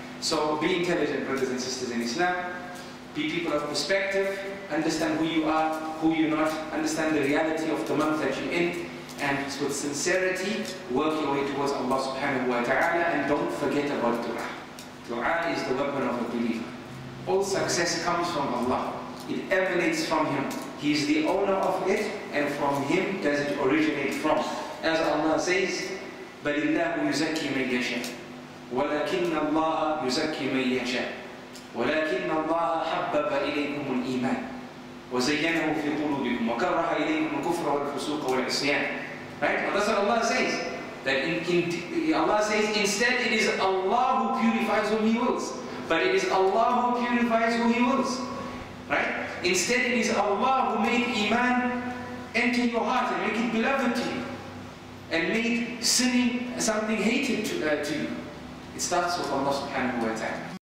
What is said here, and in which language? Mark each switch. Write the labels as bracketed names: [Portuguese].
[English] So be intelligent, brothers and sisters in Islam. Be people of perspective, understand who you are, who you're not, understand the reality of the month that you're in, and with sincerity, work your way towards Allah subhanahu wa ta'ala, and don't forget about dua. Dua is the weapon of a believer. All success comes from Allah. It emanates from Him. He is the owner of it, and from Him does it originate from. As Allah says, [Arabic] بَلِ اللَّهُ يُزَكِّي مَنْ يَشَاءُ وَلَكِنَّ اللَّهَ يُزَكِّي مَنْ يَشَاءُ وَلَكِنَّ اللَّهَ حَبَّبَ إِلَيْكُمُ الْإِيمَانِ وَزَيَّنَهُ فِي قُلُوبِكُمْ وَكَرَّهَ إِلَيْكُمُ الْكُفْرَ وَالْفُسُوقَ وَالْعِصْيَانَ [English] Right? Well, that's what Allah says. That Allah says, instead it is Allah who purifies whom He wills. But it is Allah who purifies whom He wills. Right? Instead it is Allah who made Iman into your heart and make it beloved to you, and make sinning something hated to you. It starts with Allah subhanahu wa ta'ala.